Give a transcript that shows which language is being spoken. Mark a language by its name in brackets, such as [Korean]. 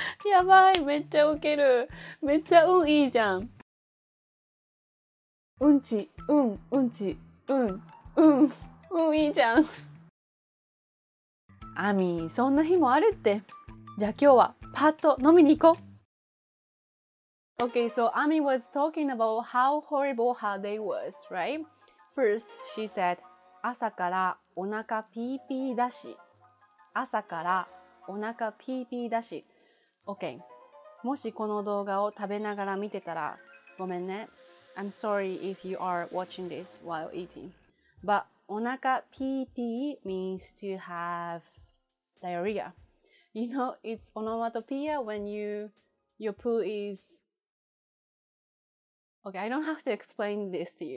[Japanese] やばい、めっちゃウケる。めっちゃ運いいじゃん。うんち、うん、うんち、うん、うん、うん、いいじゃん。アミ、そんな日もあるって。じゃあ今日はパッと飲みに行こう。 [English] Okay, so Ami was talking about how horrible her day was, right? First, she said, [Japanese] 朝からお腹ピーピーだし。朝からお腹ピーピーだし。 Okay, もしこの動画を食べながら見てたら、ごめんね。 [English] I'm sorry if you are watching this while eating. But onaka pee pee means to have diarrhea. You know, it's onomatopoeia when your poo is... Okay, I don't have to explain this to you.